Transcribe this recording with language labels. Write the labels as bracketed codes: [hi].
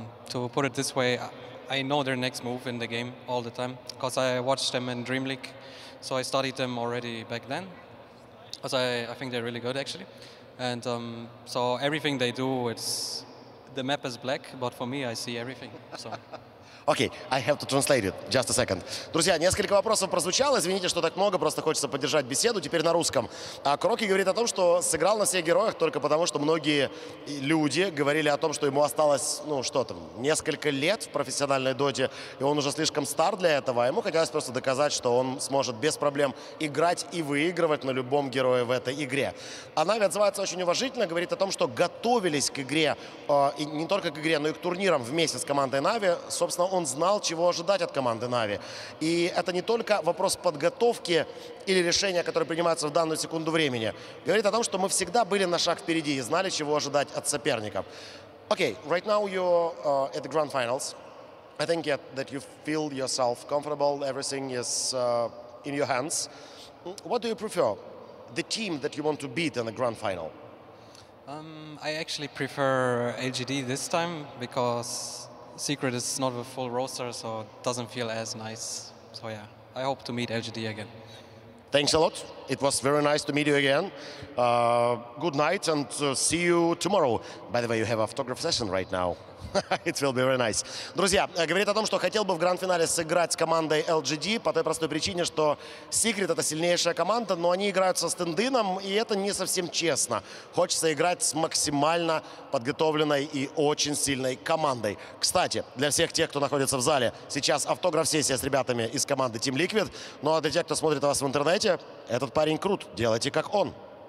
[en] To put it this way, I know their next move in the game all the time because I watched them in Dream League. So I studied them already back then. Because I think they're really good, actually. And so everything they do, it's... The map is black, but for me, I see everything. So. Okay, I have to translate it. Just a second. [ru] Друзья, несколько вопросов прозвучало. Извините, что так много. Просто хочется поддержать беседу. Теперь на русском. Куроки говорит о том, что сыграл на всех героях только потому, что многие люди говорили о том, что ему осталось, ну, что там, несколько лет в профессиональной доте, и он уже слишком стар для этого. Ему хотелось просто доказать, что он сможет без проблем играть и выигрывать на любом герое в этой игре. Она отзывается очень уважительно. Говорит о том, что готовились к игре, и не только к игре, но и к турнирам вместе с командой Na'Vi. Собственно, он знал, чего ожидать от команды Na'Vi. И это не только вопрос подготовки или решения, которые принимаются в данную секунду времени. Говорит о том, что мы всегда были на шаг впереди и знали, чего ожидать от соперников. [en] Okay, right now you're at the grand finals. I think that you feel yourself comfortable, everything is in your hands. What do you prefer? The team that you want to beat in the grand final? I actually prefer LGD this time because Secret is not a full roster, so it doesn't feel as nice. So yeah, I hope to meet LGD again. Thanks a lot. It was very nice to meet you again. Good night and see you tomorrow. By the way, you have autograph session right now. It will be very nice. [ru] Друзья, говорит о том, что хотел бы в гранд-финале сыграть с командой LGD по той простой причине, что Secret — это сильнейшая команда, но они играют со стендином, и это не совсем честно. Хочется играть с максимально подготовленной и очень сильной командой. Кстати, для всех тех, кто находится в зале, сейчас автограф-сессия с ребятами из команды Team Liquid. Ну а для тех, кто смотрит вас в интернете, этот парень крут, делайте как он.